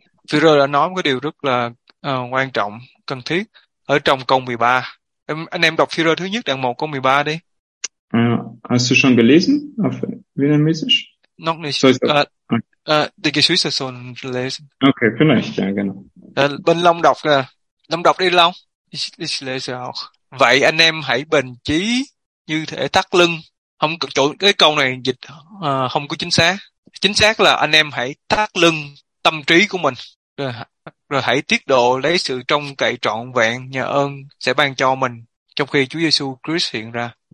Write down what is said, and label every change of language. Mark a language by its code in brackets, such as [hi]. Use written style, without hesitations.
[vi] Phi Rơ đã nói một cái điều rất là quan trọng, cần thiết ở trong câu 13. Anh em đọc Phi Rơ thứ nhất, đoạn 1, câu 13 đi. [de] Hast du schon gelesen auf Wiener Message? Noch nicht. So, die Geschwister sollen lesen. Okay, vielleicht, ja, genau. [vi] Bên Long đọc, Long đọc đi Long. [de] Ich lese auch. [vi] Vậy anh em hãy bền chí như thể thắt lưng. Không, chỗ cái câu này dịch không có chính xác. Chính xác là anh em hãy thắt lưng tâm trí của mình. Rồi hãy tiết độ lấy sự trông cậy trọn vẹn nhờ ơn sẽ ban cho mình trong khi Chúa Giêsu Christ hiện ra.